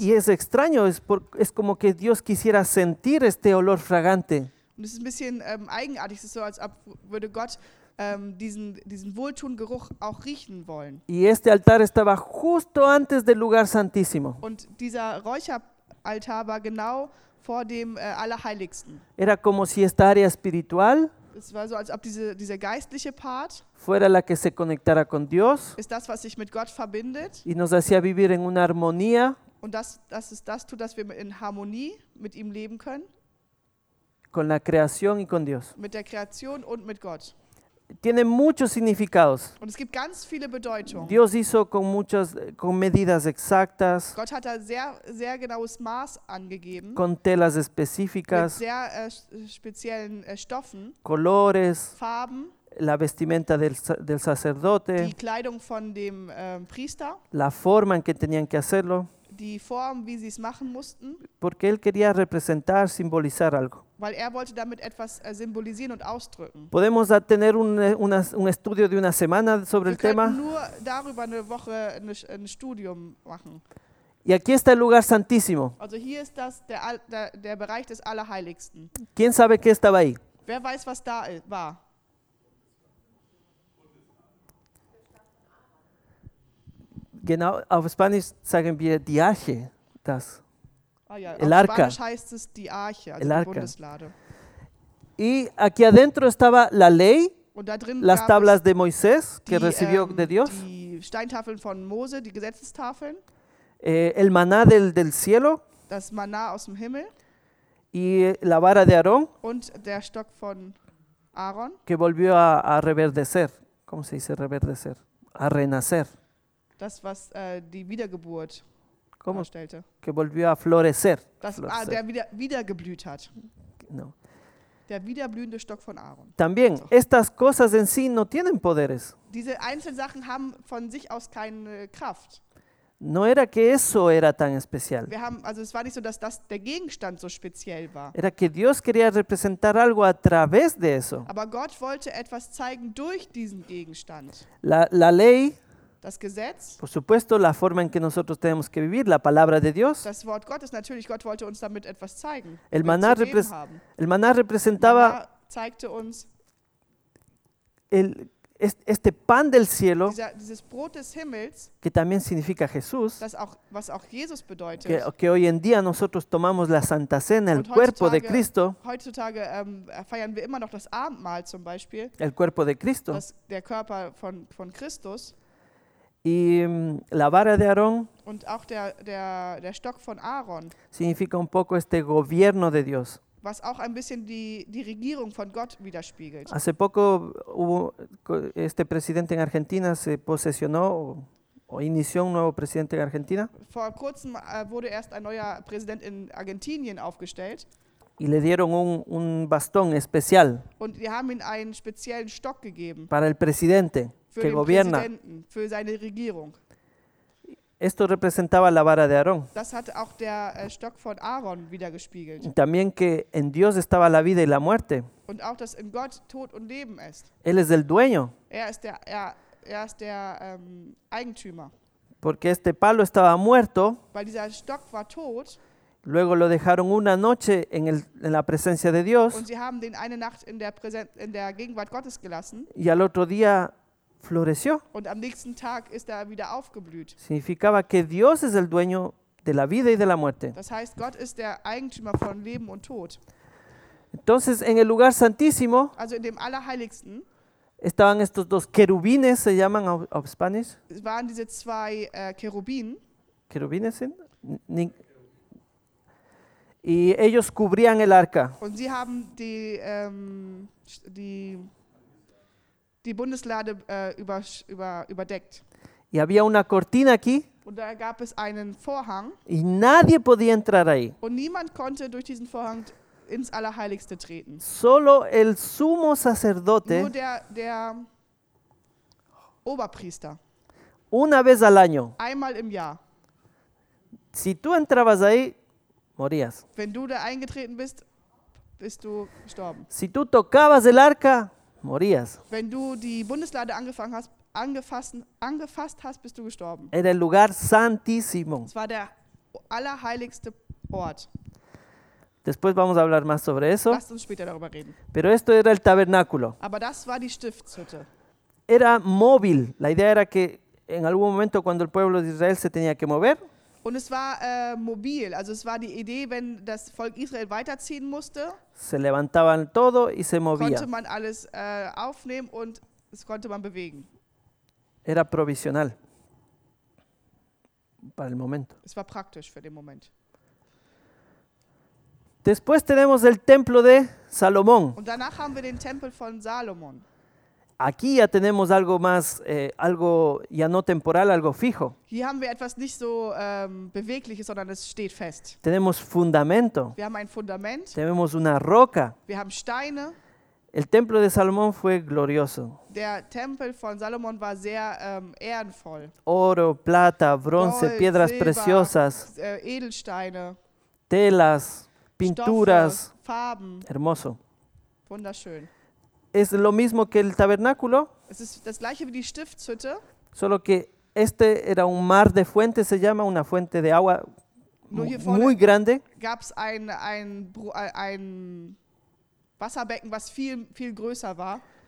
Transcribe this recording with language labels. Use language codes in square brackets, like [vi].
[es] Y es extraño, es como que Dios quisiera sentir este olor fragante. [de] Und es ist ein bisschen eigenartig, es ist so, als ob würde Gott diesen Wohltungeruch auch riechen wollen. [es] Y este altar estaba justo antes del lugar santísimo. [de] Und dieser Räucheraltar war genau vor dem Allerheiligsten. [es] Era como si esta área espiritual, [de] es war so, als ob dieser geistliche Part [es] fuera la que se conectara con Dios, [de] ist das, was sich mit Gott verbindet, [es] y nos hacía vivir en una armonía [de] Und das ist das tut, dass wir in Harmonie mit ihm leben können. [es] Con la creación y con Dios. [de] Mit der Kreation und mit Gott. [es] Tiene muchos significados. [de] Und es gibt ganz viele Bedeutungen. [es] Dios hizo con medidas exactas. [de] Gott hat da sehr, sehr genaues Maß angegeben. [es] Con telas específicas. [de] Mit sehr speziellen Stoffen. [es] Colores. [de] Farben. [es] La vestimenta del sacerdote. [de] Die Kleidung von dem Priester. [es] La forma en que tenían que hacerlo. [de] Die Form, wie sie es machen mussten. [es] Porque él quería representar, simbolizar algo. [de] Weil er wollte damit etwas symbolisieren und ausdrücken. [es] Podemos tener un estudio de una semana sobre [de] Wir [es] el tema. [de] Nur darüber eine Woche ein Studium machen. [es] Y aquí está el lugar santísimo. [de] Also hier ist das der Bereich des Allerheiligsten. [es] ¿Quién sabe qué estaba ahí? [de] Wer weiß, was da war? Genau, auf Spanisch sagen wir [es] die Arche, [de] das. Ah, ja. [es] El Arca. [de] Spanisch heißt es die Arche, also [es] El Arca. [de] Die Bundeslade. [es] Y aquí adentro estaba la ley, [de] und da drin [es] las tablas de Moisés, que recibió de Dios. [de] Die Steintafeln von Mose, die Gesetzestafeln. [es] El maná del cielo. [de] Das Maná aus dem Himmel. [es] Y la vara de Aarón. [de] Und der Stock von Aaron. [es] Que volvió a reverdecer. ¿Cómo se dice reverdecer? A renacer. [de] Das, was die Wiedergeburt [es] ¿Cómo? [de] Darstellte. [es] Que volvió a florecer. [de] Das, [es] florecer. [de] Der wieder geblüht hat. [es] No. [de] Der wiederblühende Stock von Aaron. [es] También, so. Estas cosas en sí no tienen poderes. [de] Diese einzelnen Sachen haben von sich aus keine Kraft. [es] No era que eso era tan especial. [de] Wir haben, also es war nicht so, dass das der Gegenstand so speziell war. [es] Era que Dios quería representar algo a través de eso. [de] Aber Gott wollte etwas zeigen durch diesen Gegenstand. [es] La ley... [de] Das Gesetz, [es] por supuesto, la forma en que nosotros tenemos que vivir, la palabra de Dios. [de] Das Wort Gottes, natürlich, Gott wollte uns damit etwas zeigen. [es] El maná representaba [de] zeigte uns [es] este pan del cielo, [de] dieses Brot des Himmels, [es] que también significa Jesús, [de] das auch, was auch Jesus bedeutet, [es] que hoy en día nosotros tomamos la Santa Cena, el cuerpo de Cristo. [de] Heutzutage feiern wir immer noch das Abendmahl zum Beispiel. [es] El cuerpo de Cristo. [de] Der Körper von Christus. [es] Y la vara de Aarón [de] und auch der Stock von Aaron [es] significa un poco este gobierno de Dios. [de] Was auch ein bisschen die Regierung von Gott widerspiegelt. [es] Hace poco hubo este presidente en Argentina se posesionó o inició un nuevo presidente en Argentina. [de] Vor kurzem wurde erst ein neuer Präsident in Argentinien aufgestellt. [es] Y le dieron un bastón especial. [de] Und die haben ihm einen speziellen Stock gegeben. [es] Para el presidente. [de] Für den Präsidenten, für seine Regierung. [es] Esto representaba la vara de Aarón. [de] Das hat auch der Stock von Aaron wiedergespiegelt. [es] También que en Dios estaba la vida y la muerte. [de] Und auch, dass in Gott Tod und Leben ist. [es] Él es el dueño. [de] Er ist der Eigentümer. [es] Porque este palo estaba muerto. [de] Weil dieser Stock war tot. [es] Luego lo dejaron una noche en la presencia de Dios. [de] Und sie haben den eine Nacht in der Gegenwart Gottes gelassen. [es] Y al otro día floreció. [de] Und am nächsten Tag ist er wieder aufgeblüht. [es] Significaba que Dios es el dueño de la vida y de la muerte. [de] Das heißt, Gott ist der Eigentümer von Leben und Tod. [es] Entonces, en el lugar santísimo, [de] also in dem Allerheiligsten, [es] estaban estos dos querubines, se llaman [de] auf Spanisch. Es waren diese zwei Cherubinen. Cherubines sind? [es] Y ellos cubrían el arca. [de] Und sie haben die Bundeslade überdeckt. [es] Y había una cortina aquí. [de] Und da gab es einen Vorhang. [es] Y nadie podía entrar ahí. [de] Und niemand konnte durch diesen Vorhang ins Allerheiligste treten. [es] Solo el sumo sacerdote. [de] Nur der Oberpriester. [es] Una vez al año. [de] Einmal im Jahr. [es] Si tú entrabas ahí, morías. [de] Wenn du da eingetreten bist, bist du gestorben. [es] Si tú tocabas el arca, morías. [de] Wenn du die Bundeslade angefasst hast, bist du gestorben. [es] Era el lugar santísimo. [de] Es war der allerheiligste Ort. [es] Después vamos a hablar más sobre eso. [de] Lass uns später darüber reden. [es] Pero esto era el tabernáculo. [de] Aber das war die Stiftshütte. [es] Era móvil. La idea era que en algún momento cuando el pueblo de Israel se tenía que mover. [de] Und es war mobil. Also es war die Idee, wenn das Volk Israel weiterziehen musste. [es] Se levantaban todo y se movía. [de] Konnte man alles aufnehmen und es konnte man bewegen. [es] Era provisional. para el momento. [de] Es war praktisch für den Moment. [es] Después tenemos el templo de Salomón. [de] Und danach haben wir den Tempel von Salomón. [es] Aquí ya tenemos algo más, algo ya no temporal, algo fijo. [de] Hier haben wir etwas nicht so bewegliches, sondern es steht fest. [es] Tenemos fundamento. [de] Wir haben ein Fundament. [es] Tenemos una roca. [de] Wir haben Steine. [es] El templo de Salomón fue glorioso. [de] Der Tempel von Salomón war sehr ehrenvoll. [es] Oro, plata, bronce, [de] Gold, [es] piedras [de] Silber, [es] preciosas. [de] Edelsteine. [es] Telas, pinturas. [de] Stoffe, Farben. [es] Hermoso. [de] Wunderschön. [es] Es lo mismo que el tabernáculo. [de] Es ist das gleiche wie die Stiftshütte. [es] Solo que este era un mar de fuentes, se llama una fuente de agua muy grande. [de] Gab's ein Wasserbecken, was viel, viel größer war.